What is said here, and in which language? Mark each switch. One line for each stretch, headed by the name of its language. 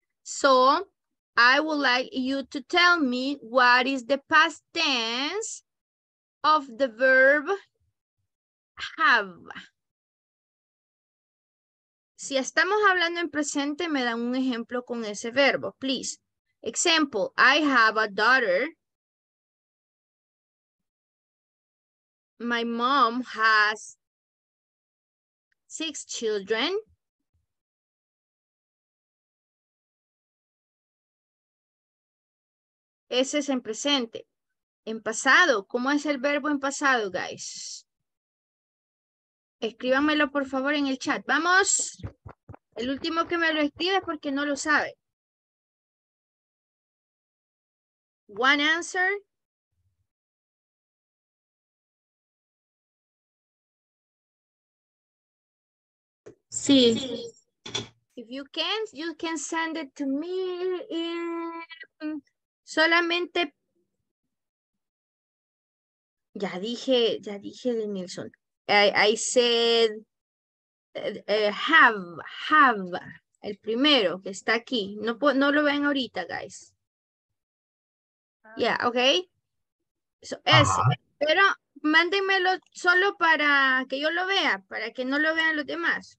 English: So I would like you to tell me what is the past tense of the verb have.
Spanish: Si estamos hablando en presente, me dan un ejemplo con ese verbo, please.
English: Example, I have a daughter. My mom has 6 children.
Spanish: Ese es en presente. En pasado, ¿cómo es el verbo en pasado, guys? Escríbanmelo, por favor, en el chat. Vamos. El último que me lo escribe es porque no lo sabe.
English: One answer.
Spanish: Sí. Sí.
English: If you can, you can send it to me. Solamente
Spanish: Ya dije de Nilsson.
English: I said have
Spanish: el primero que está aquí. No lo ven ahorita, guys. Yeah, okay. So, ese. Pero mándenmelo solo para que yo lo vea, para que no lo vean los demás.